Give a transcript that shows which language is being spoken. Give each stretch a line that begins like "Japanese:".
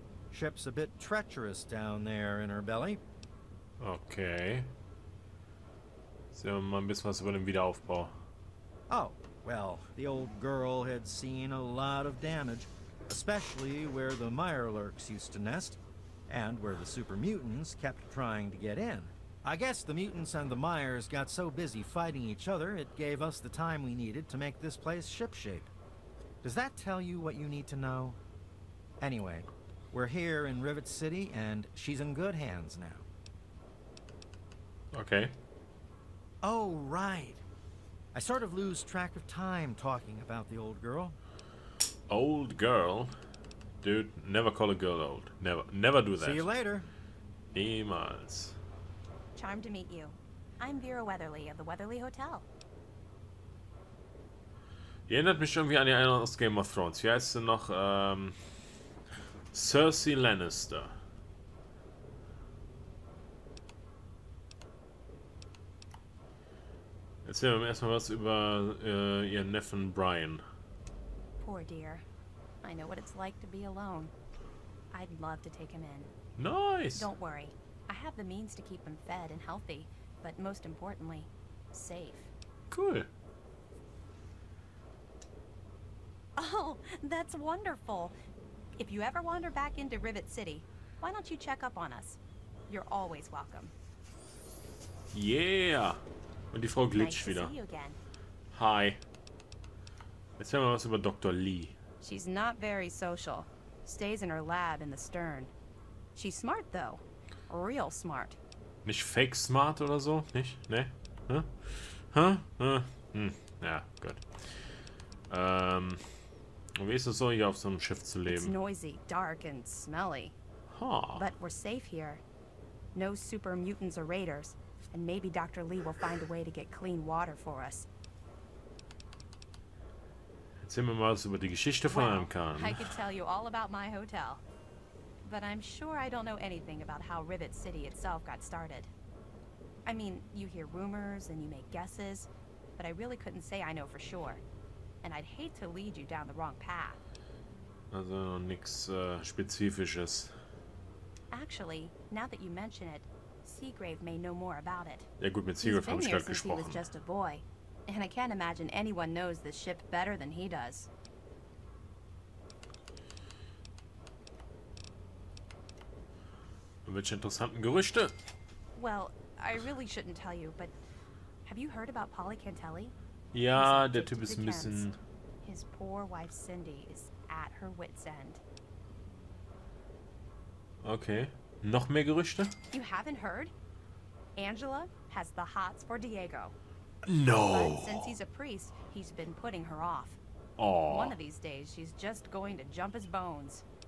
English: Ship's a bit treacherous down there in her belly. Okay.
German: Sehen wir mal ein bisschen was über den Wiederaufbau.
English: Oh, well, the old girl had seen a lot of damage, especially where the Mirelurks used to nest, and where the super mutants kept trying to get in. I guess the mutants and the Myers got so busy fighting each other, it gave us the time we needed to make this place shipshape. Does that tell you what you need to know? Anyway, we're here in Rivet City, and she's in good hands now. Okay. Oh, right. I sort of lose track of time talking about the old girl. Old girl? Dude, never call a girl old. Never do that. See you later.
German: Niemals.
English: Charmed to meet you. I'm Vera Weatherly of the Weatherly Hotel.
German: Erinnert mich irgendwie an die eine aus Game of Thrones. Hier heißt sie noch Cersei Lannister. Erzählen wir erstmal was über ihren Neffen Brian.
English: Poor dear. I know what it's like to be alone. I'd love to take him in. Nice! Don't worry. I have the means to keep him fed and healthy, but most importantly, safe. Cool. Oh, that's wonderful. If you ever wander back into Rivet City, why don't you check up on us? You're always welcome. Yeah!
German: Und die Frau Glitch wieder. Hi. Erzähl mal was über Dr. Lee.
English: She's not very social. Stays in her lab in the Stern. She's smart though. Real smart.
German: Nicht fake smart oder so? Nicht? Ne? Huh? Huh? Hm. Ja, gut. Wie ist es so, hier auf so einem Schiff zu leben?
English: It's noisy, dark and smelly. Huh. But we're safe here. No super mutants or raiders. And maybe Dr. Lee will find a way to get clean water for us.
German: Erzähl mir mal was über die Geschichte von einem Kahn.
English: I could tell you all about my hotel. But I'm sure I don't know anything about how Rivet City itself got started. I mean, you hear rumors and you make guesses, but I really couldn't say I know for sure. And I'd hate to lead you down the wrong path.
German: Also nichts Spezifisches.
English: Actually, now that you mention it, Seagrave may know more about it.
German: Ja gut, mit Seagrave habe ich gerade gesprochen.
English: He was just a boy. And I can't imagine anyone knows this ship better than he does.
German: Welche interessanten Gerüchte?
English: Well, I really shouldn't tell you, but have you heard about Polly Cantelli?
German: Ja, der Typ ist ein bisschen...
English: His poor wife Cindy is at her wit's end.
German: Okay, noch mehr Gerüchte?
English: You haven't heard? Angela has the hots for Diego. No. But since he's a priest, he's been putting her off. Oh. One of these days, she's just going to jump his bones.